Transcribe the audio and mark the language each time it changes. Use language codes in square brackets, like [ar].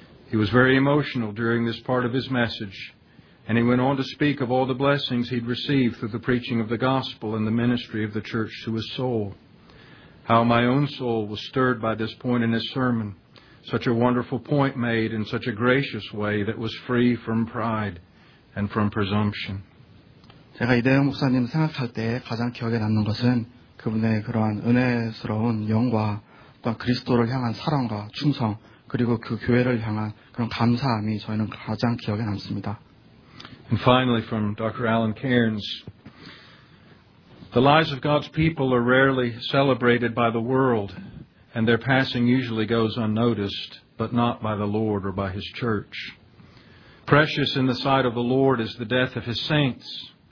[en] He was very emotional during this part of his message, and he went on to speak of all the blessings he'd received through the preaching of the gospel and the ministry of the church to his soul. How my own soul was stirred by this point in his sermon, such a wonderful point made in such a gracious way that was free from pride and from presumption. [ko] 제가 이대영 목사님 생각할 때 가장 기억에 남는 것은 그분의 그러한 은혜스러운 영과 또한 그리스도를 향한 사랑과 충성, 그리고 그 교회를 향한 그런 감사함이 저희는 가장 기억에 남습니다. [en] And finally from Dr. Alan Cairns. The lives of God's people are rarely celebrated by the world, And their passing usually goes unnoticed, but not by the Lord or by His church. Precious in the sight of the Lord is the death of His saints.